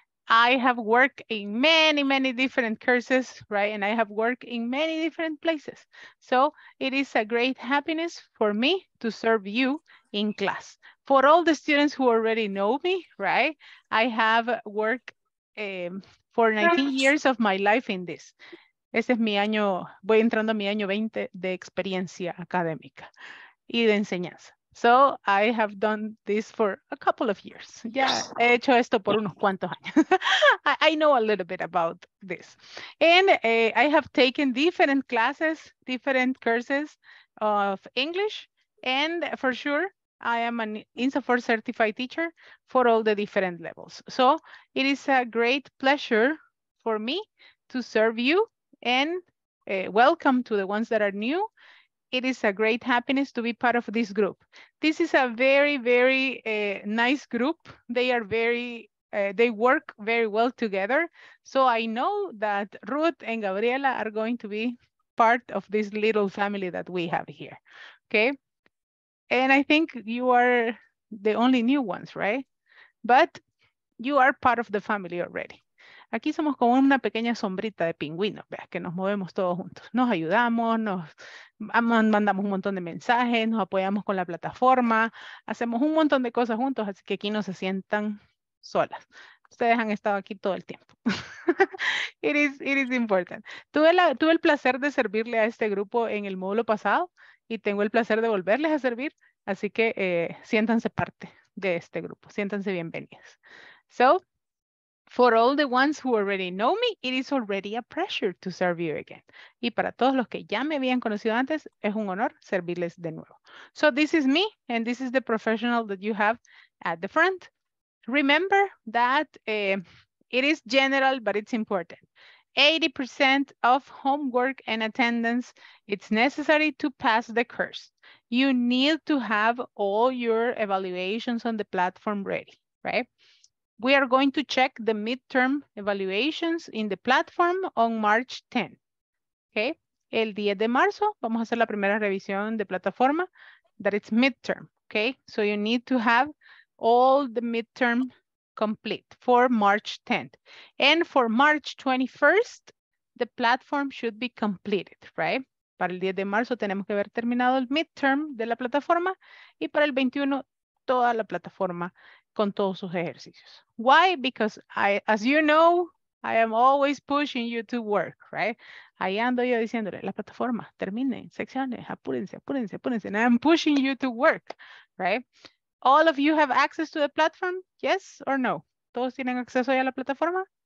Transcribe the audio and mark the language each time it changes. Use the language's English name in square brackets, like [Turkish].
[English] I have worked in many, many different courses, right? And I have worked in many different places. So it is a great happiness for me to serve you in class. For all the students who already know me, right? I have worked for 19 years of my life in this. [Spanish] Ese es mi año, voy entrando a mi año 20 de experiencia académica y de enseñanza. [English] So I have done this for a couple of years. [Spanish] Yeah, he hecho esto por unos cuantos años. [English] I know a little bit about this. And I have taken different classes, different courses of English. And for sure, I am an INSSS certified teacher for all the different levels. So it is a great pleasure for me to serve you. And welcome to the ones that are new. It is a great happiness to be part of this group. This is a very, very nice group. They are very, they work very well together. So I know that Ruth and Gabriela are going to be part of this little family that we have here, okay? And I think you are the only new ones, right? But you are part of the family already. [Spanish] Aquí somos como una pequeña sombrita de pingüinos, vea, que nos movemos todos juntos. Nos ayudamos, mandamos un montón de mensajes, nos apoyamos con la plataforma, hacemos un montón de cosas juntos, así que aquí no se sientan solas. Ustedes han estado aquí todo el tiempo. [English] It is important. [Spanish] Tuve el placer de servirle a este grupo en el módulo pasado y tengo el placer de volverles a servir, así que siéntanse parte de este grupo, siéntanse bienvenidas. [English] So, for all the ones who already know me, it is already a pleasure to serve you again. [Spanish] Y para todos los que ya me habían conocido antes, es un honor servirles de nuevo. [English] So this is me, and this is the professional that you have at the front. Remember that it is general, but it's important. 80% of homework and attendance, it's necessary to pass the course. You need to have all your evaluations on the platform ready, right? We are going to check the midterm evaluations in the platform on March 10. [Spanish] Okay, el 10 de marzo vamos a hacer la primera revisión de plataforma. [English] That it's midterm. Okay, so you need to have all the midterm complete for March 10. And for March 21st, the platform should be completed, right? [Spanish] Para el 10 de marzo tenemos que haber terminado el midterm de la plataforma y para el 21 toda la plataforma con todos sus ejercicios. [English] Why? Because I, as you know, I am always pushing you to work, right? [Spanish] Ahí ando yo diciéndole, la plataforma, terminen, secciones, apúrense, apúrense, apúrense. [English] And I am pushing you to work, right? All of you have access to the platform, yes or no? [Spanish] ¿Todos tienen acceso ya a la plataforma?